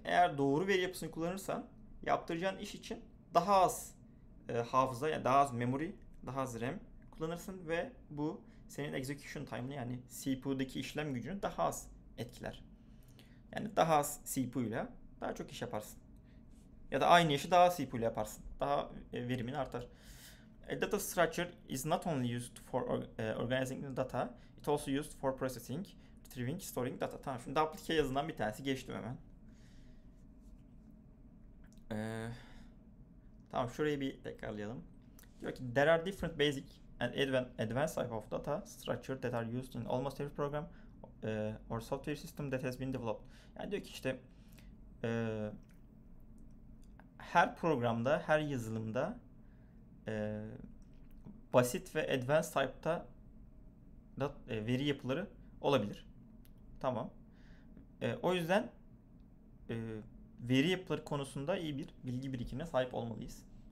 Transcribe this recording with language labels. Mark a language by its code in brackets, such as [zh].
[tr] Eğer doğru veri yapısını kullanırsan yaptıracağın iş için daha az hafıza, yani daha az memory, daha az RAM kullanırsın ve bu senin execution time'ını yani CPU'daki işlem gücünü daha az etkiler. Yani daha az CPU ile daha çok iş yaparsın. Ya da aynı işi daha az CPU ile yaparsın. Daha verimin artar. [en] A data structure is not only used for organizing the data, it also used for processing, retrieving, storing data. [tr] Tamam, şimdi aplike yazından bir tanesi geçtim hemen. Tamam, şurayı bir tekrarlayalım. Diyor ki, [en] there are different basic and advanced type of data structure that are used in almost every program or software system that has been developed. [tr] Yani diyor ki işte her programda, her yazılımda basit ve advanced type'ta veri yapıları olabilir. Tamam. O yüzden veri yapıları konusunda iyi bir bilgi birikimine sahip olmalıyız.